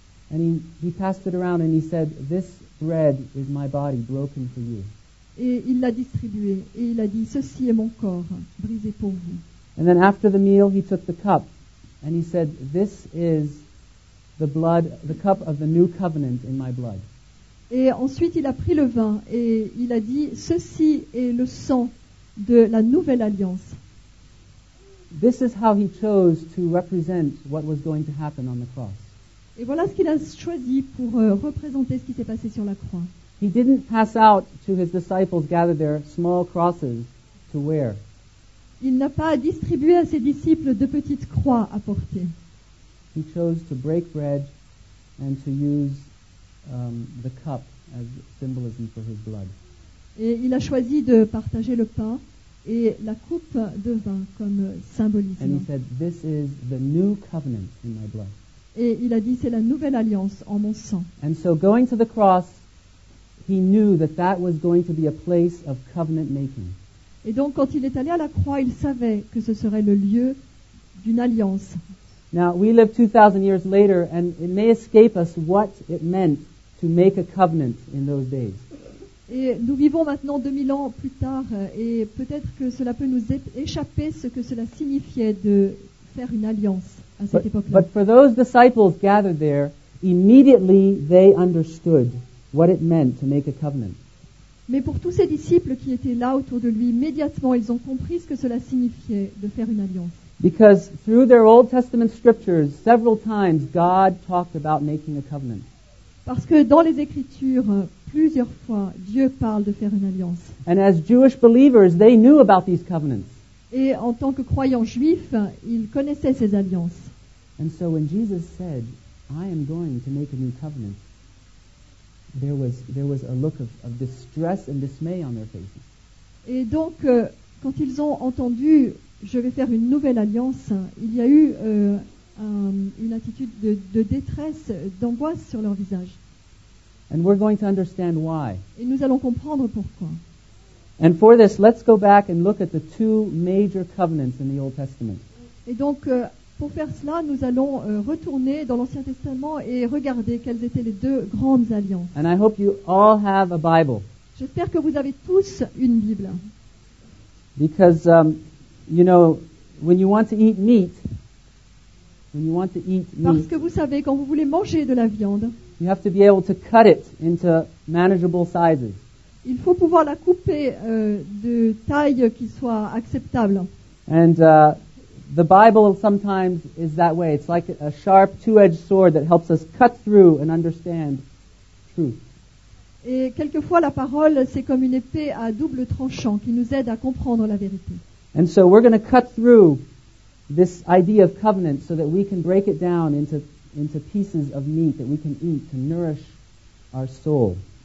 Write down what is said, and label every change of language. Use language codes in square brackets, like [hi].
[en] And he passed it around and he said, "This bread is my body broken for you." [fr] Et il l'a distribué et il a dit, "Ceci est mon corps brisé pour vous." [en] And then after the meal, he took the cup. And he said, "This is the blood, the cup of the new covenant in my blood." [fr] Et ensuite, il a pris le vin et il a dit, "Ceci est le sang de la nouvelle alliance." [en] This is how he chose to represent what was going to happen on the cross. [fr] Et voilà ce qu'il a choisi pour représenter ce qui s'est passé sur la croix. [en] He didn't pass out to his disciples gathered there small crosses to wear. [fr] Il n'a pas distribué à ses disciples de petites croix à porter. [en] He chose to break bread and to use the cup as symbolism for his blood. [fr] Et il a choisi de partager le pain et la coupe de vin comme symbolisme. [en] And he said, "This is the new covenant in my blood." [fr] Et il a dit, c'est la nouvelle alliance en mon sang. [en] And so going to the cross he knew that that was going to be a place of covenant making. [fr] Et donc quand il est allé à la croix, il savait que ce serait le lieu d'une alliance. [en] Now we live 2,000 years later, and it may escape us what it meant to make a covenant in those days. [fr] Et nous vivons maintenant 2000 ans plus tard, et peut-être que cela peut nous échapper ce que cela signifiait de faire une alliance à cette époque-là. [en] But for those disciples gathered there, immediately they understood what it meant to make a covenant. [fr] Mais pour tous ces disciples qui étaient là autour de lui, immédiatement ils ont compris ce que cela signifiait de faire une alliance. [en] Because through their Old Testament scriptures, several times God talked about making a covenant. [fr] Parce que dans les Écritures, plusieurs fois, Dieu parle de faire une alliance. [en] And as Jewish believers, they knew about these covenants. [fr] Et en tant que croyants juifs, ils connaissaient ces alliances. [en] And so when Jesus said, "I am going to make a new covenant," there was a look of distress and dismay on their faces. [fr] Et donc, quand ils ont entendu je vais faire une nouvelle alliance, il y a eu une attitude de détresse, d'angoisse sur leur visage. [en] And we're going to understand why. [fr] Et nous allons comprendre pourquoi. [en] And for this, let's go back and look at the two major covenants in the Old Testament. [fr] Et donc, pour faire cela, nous allons retourner dans l'Ancien Testament et regarder quelles étaient les deux grandes alliances. [en] And I hope you all have a Bible. [fr] J'espère que vous avez tous une Bible. [en] Because you know, when you want to eat meat, when you want to eat meat, [fr] parce que vous savez, quand vous voulez manger de la viande, [en] you have to be able to cut it into manageable sizes. [fr] Il faut pouvoir la couper de taille qui soit acceptable. [en] And the Bible sometimes is that way. It's like a sharp two-edged sword that helps us cut through and understand truth. [fr] Et quelquefois la parole, c'est comme une épée à double tranchant qui nous aide à comprendre la vérité. [en] And so we're going to cut through this idea of covenant so that we can break it down into pieces of meat that we can eat to nourish our soul.